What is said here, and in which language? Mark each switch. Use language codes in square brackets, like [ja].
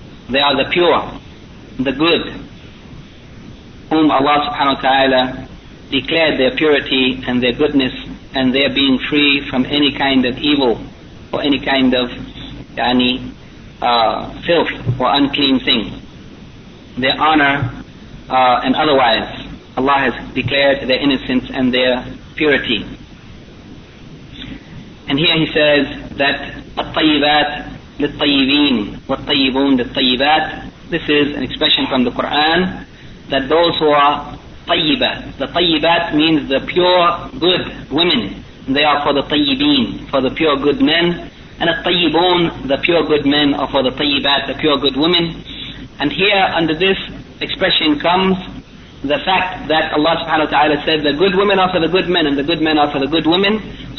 [en] They are the pure, the good, whom Allah subhanahu wa ta'ala declared their purity and their goodness and their being free from any kind of evil or any kind of filth or unclean thing. Their honor and otherwise, Allah has declared their innocence and their purity. And here he says that [ar] الطيبات للطيبين والطيبون للطيبات. [en] This is an expression from the Quran that those who are طيبة, the طيبات means the pure good women, they are for the طيبين, for the pure good men, and الطيبون, the pure good men, are for the طيبات, the pure good women. And here under this expression comes the fact that Allah subhanahu wa ta'ala said the good women are for the good men and the good men are for the good women.